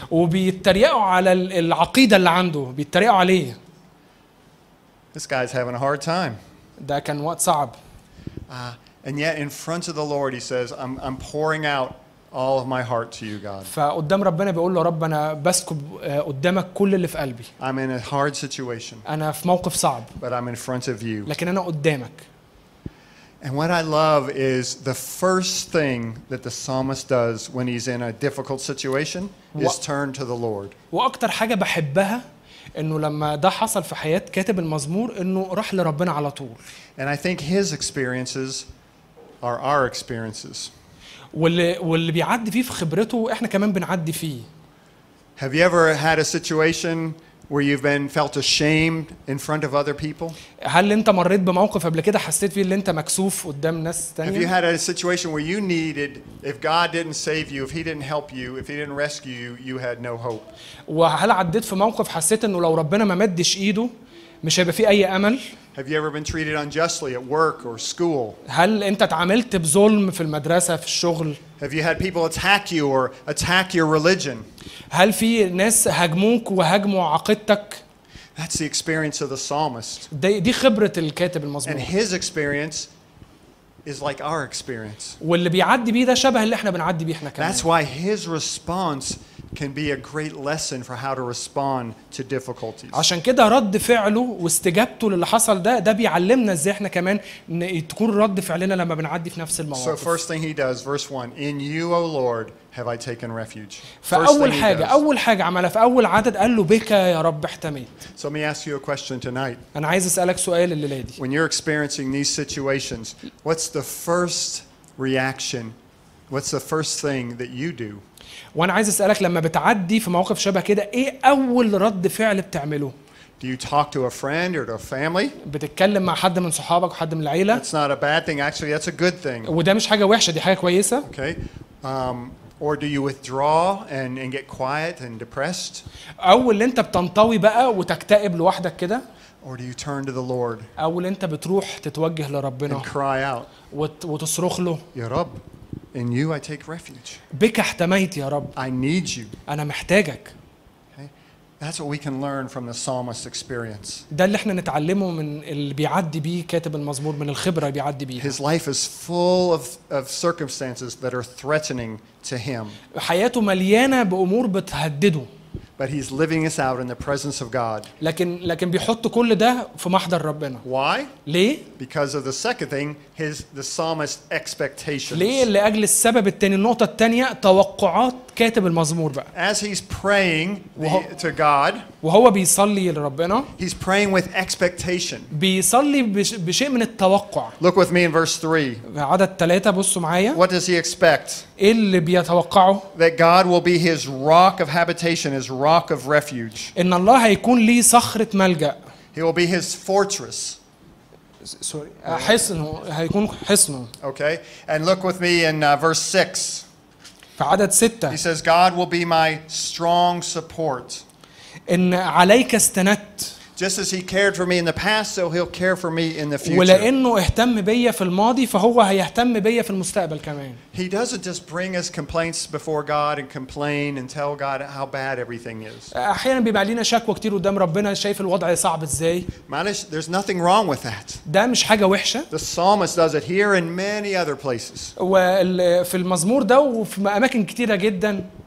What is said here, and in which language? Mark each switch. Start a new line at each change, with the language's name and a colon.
Arabic: وبيتريقوا على العقيده اللي عنده بيتريقوا عليه.
English: This guy's having a hard time.
Arabic: ده كان وقت صعب.
English: And yet in front of the Lord he says I'm pouring out all of my heart to you, God.
Arabic: فقدام ربنا بيقول له رب انا بسكب قدامك كل اللي في قلبي.
English: I'm in a hard situation.
Arabic: انا في موقف صعب.
English: But I'm in front of you.
Arabic: لكن انا قدامك.
English: And what I love is the first thing that the psalmist does when he's in a difficult situation is turn to the Lord.
Arabic: واكتر حاجه بحبها انه لما ده حصل في حياه كاتب المزمور انه راح لربنا على طول.
English: And I think his experiences are our experiences.
Arabic: واللي بيعدي فيه في خبرته احنا كمان بنعدي فيه.
English: Have you ever had a situation Where you've been felt ashamed in front of other people?
Arabic: هل انت مريت بموقف قبل كده حسيت فيه ان انت مكسوف قدام ناس تانية؟
English: Have you had a situation where you needed, if God didn't save you, if He didn't help you, if He didn't rescue you, you had no hope?
Arabic: وهل عديت في موقف حسيت انه لو ربنا ما مدش ايده مش هيبقى فيه اي امل؟
English: Have you ever been treated unjustly at work or school?
Arabic: هل انت اتعاملت بظلم في المدرسة في الشغل؟
English: Have you had people attack you or attack your religion?
Arabic: هل في ناس هاجموك وهاجموا عقيدتك؟
English: That's the experience of the psalmist.
Arabic: دي خبرة الكاتب المزمور.
English: And his experience is like our experience.
Arabic: واللي بيعدي بيه ده شبه اللي احنا بنعدي بيه احنا كمان.
English: That's why his response can be a great lesson for how to respond to difficulties.
Arabic: عشان كده رد فعله واستجابته للي حصل ده ده بيعلمنا ازاي احنا كمان تكون رد فعلنا لما بنعدي في نفس المواقف.
English: So first thing he does, verse 1, in you, O Lord, have I taken refuge.
Arabic: فاول حاجه اول حاجه عملها في اول عدد قال له بك يا رب احتميت.
English: So let me ask you a question tonight.
Arabic: انا عايز اسالك سؤال الليله دي.
English: When you're experiencing these situations, what's the first reaction? What's the first thing that you do?
Arabic: وانا عايز اسالك لما بتعدي في موقف شبه كده ايه اول رد فعل بتعمله؟
English: Do you talk to a friend or to a family?
Arabic: بتتكلم مع حد من صحابك وحد من العيله؟
English: It's not a bad thing, actually that's a good thing.
Arabic: وده مش حاجه وحشه دي حاجه كويسه.
English: Okay. Or do you withdraw and get quiet and depressed?
Arabic: او اللي انت بتنطوي بقى وتكتئب لوحدك كده؟
English: Or do you turn to the Lord?
Arabic: او اللي انت بتروح تتوجه لربنا
English: and cry out.
Arabic: وتصرخ له يا رب.
English: In you I take refuge.
Arabic: بك احتميت يا رب.
English: I need you.
Arabic: انا محتاجك.
English: Okay. That's what we can learn from the psalmist experience.
Arabic: ده اللي احنا نتعلمه من اللي بيعدي بيه كاتب المزمور من الخبره اللي بيعدي بيها.
English: His life is full of circumstances that are threatening to him.
Arabic: حياته مليانه بامور بتهدده.
English: But he's living this out in the presence of God.
Arabic: لكن بيحط كل ده في محضر ربنا.
English: Why?
Arabic: ليه?
English: Because of the second thing, the psalmist expectations.
Arabic: ليه لأجل السبب التاني النقطة التانية توقعات كاتب المزمور بقى.
English: As he's praying to God.
Arabic: وهو بيصلي لربنا.
English: He's praying with expectation.
Arabic: بيصلي بشيء من التوقع.
English: Look with me in verse 3.
Arabic: عدد 3 بصوا معايا.
English: What does he expect?
Arabic: إيه اللي بيتوقعه?
English: That God will be his rock of habitation, his rock of refuge.
Arabic: إن الله هيكون لي صخرة ملجأ.
English: He will be his fortress. Sorry.
Arabic: حصنه هيكون حصنه.
English: Okay. And look with me in verse 6.
Arabic: في عدد 6.
English: He says God will be my strong support.
Arabic: إن عليك استنت.
English: Just as he cared for me in the past, so he'll care for me in the future.
Arabic: ولأنه اهتم بيا في الماضي فهو هيهتم بيا في المستقبل كمان.
English: He doesn't just bring his complaints before God and complain and tell God how bad everything is.
Arabic: أحيانا بيبقى لينا شكوى كتير قدام ربنا شايف الوضع صعب ازاي. معلش,
English: there's nothing wrong with that.
Arabic: ده مش حاجة وحشة.
English: The psalmist does it here and many other places.
Arabic: وفي المزمور ده وفي أماكن كتيرة جدا.